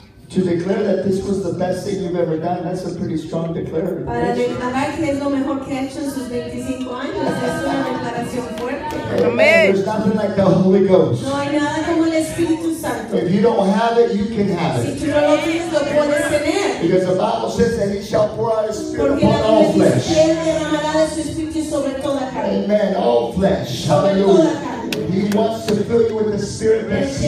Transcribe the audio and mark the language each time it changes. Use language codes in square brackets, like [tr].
[en] To declare that this was the best thing you've ever done, that's a pretty strong declaration. [es] Para declarar que es lo mejor que ha hecho en sus 25 años, es una declaración fuerte. [en] Amen. There's nothing like the Holy Ghost. [es] No hay nada como el Espíritu Santo. [en] If you don't have it, you can have it. [es] Si tú no lo tienes, lo puedes tener. [en] Because the Bible says that he shall pour out his spirit [es] porque [en] upon all flesh. [es] Porque la Biblia dice que él derramará su espíritu sobre toda carne. [en] Amen. All flesh. [es] Sobre [en] hallelujah. [es] Toda carne. [en] He wants to fill you with the spirit that he